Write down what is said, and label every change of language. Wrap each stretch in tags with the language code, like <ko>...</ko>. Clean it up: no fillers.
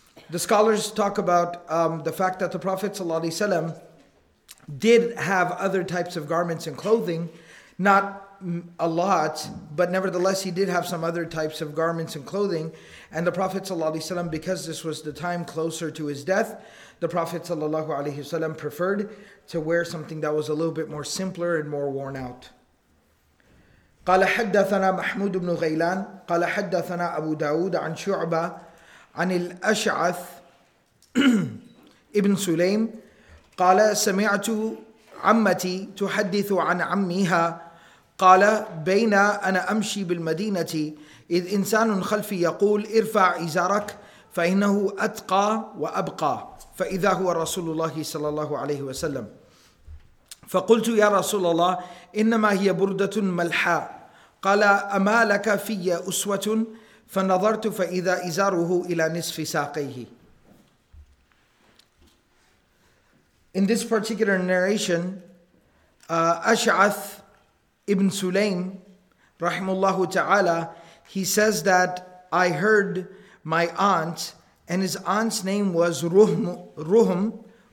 <en>The scholars talk about the fact that the Prophet ﷺ did have other types of garments and clothing, not a lot, but nevertheless he did have some other types of garments and clothing. And the Prophet ﷺ, because this was the time closer to his death, the Prophet ﷺ preferred to wear something that was a little bit more simpler and more worn out.</en> <ar>قال حدثنا محمود بن غيلان قال حدثنا أبو داود عن شعبة عن الأشعث ابن سليم قال سمعت عمتي تحدث عن عميها قال بين أنا أمشي بالمدينة إذ إنسان خلفي يقول ارفع إزارك فإنه أتقى وأبقى فإذا هو رسول الله صلى الله عليه وسلم فقلت يا رسول الله إنما هي بردة ملحة قال أما لك في أسوة فنظرت فإذا إزاره إلى نصف ساقيه.</ar> <en>In this particular narration, Ash'ath Ibn Sulaym, rahimullahu ta'ala, he says that I heard my aunt, and his aunt's name was Ruhm,</en>